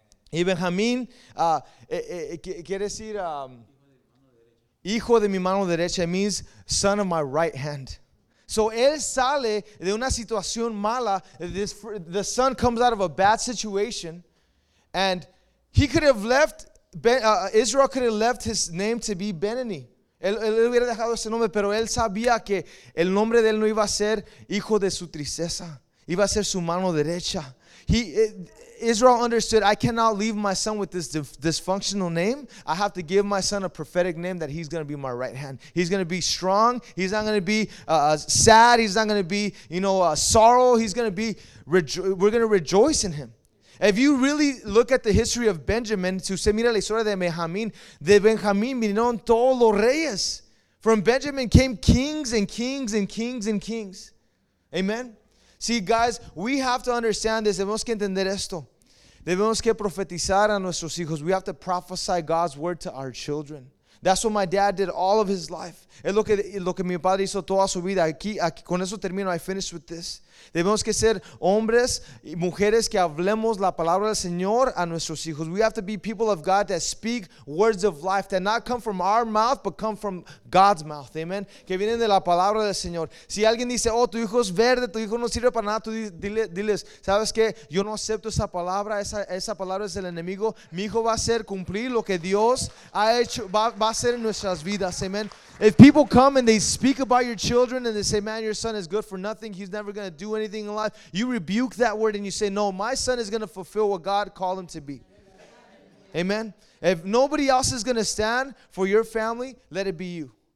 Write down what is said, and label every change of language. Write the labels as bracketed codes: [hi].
[es] Y Benjamín quiere decir hijo de mi mano derecha. [en] It means son of my right hand. [es] So él sale de una situación mala. [en] The son comes out of a bad situation. And he could have left, Israel could have left his name to be Benoni. [es] Él hubiera dejado ese nombre, pero él sabía que el nombre de él no iba a ser hijo de su tristeza. Iba a ser su mano derecha. [en] Israel understood, I cannot leave my son with this dysfunctional name. I have to give my son a prophetic name that he's going to be my right hand. He's going to be strong. He's not going to be sad. He's not going to be, you know, sorrow. He's going to be, we're going to rejoice in him. If you really look at the history of Benjamin, [es] si usted mira la historia de Benjamín vinieron todos los reyes. [en] From Benjamin came kings and kings and kings and kings. Amen. See, guys, we have to understand this. [es] Debemos que entender esto. Debemos que profetizar a nuestros hijos. [en] We have to prophesy God's word to our children. That's what my dad did all of his life. [es] Es lo que mi padre hizo toda su vida. Aquí, con eso termino. [en] I finish with this. [es] Debemos que ser hombres y mujeres que hablemos la palabra del Señor a nuestros hijos. [en] We have to be people of God that speak words of life that not come from our mouth, but come from God's mouth. [es] Amen. Que vienen de la palabra del Señor. Si alguien dice, oh, tu hijo es verde, tu hijo no sirve para nada, tú diles, ¿sabes qué? Yo no acepto esa palabra. Esa palabra es del enemigo. Mi hijo va a hacer cumplir lo que Dios ha hecho, va a hacer en nuestras vidas. Amen. [en] If people come and they speak about your children and they say, man, your son is good for nothing, he's never going to do anything in life, you rebuke that word and you say, no, my son is going to fulfill what God called him to be. Amen. If nobody else is going to stand for your family, let it be you.